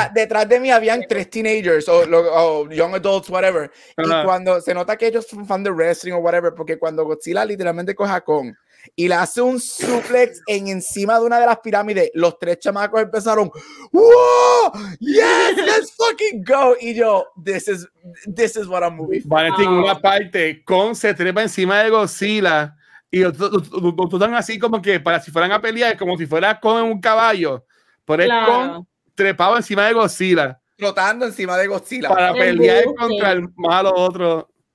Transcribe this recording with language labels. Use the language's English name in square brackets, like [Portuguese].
[Spanish] Mira, detrás de mí habían tres teenagers o [English] young adults, [Spanish] whatever. Ajá. Y cuando se nota que ellos son fan de wrestling o whatever, porque cuando Godzilla literalmente coge a Kong y le hace un suplex encima de una de las pirámides, los tres chamacos empezaron, ¡wow! [English] ¡Yes! ¡Let's fucking go! [Spanish] Y yo, [English] this is what I'm moving for. [Spanish] Vale, tengo una parte, Kong se trepa encima de Godzilla y los dos están así como que para si fueran a pelear, como si fuera Kong en un caballo. Por eso claro. Kong trepaba encima de Godzilla. Trotando encima de Godzilla. Para pelear contra el malo otro.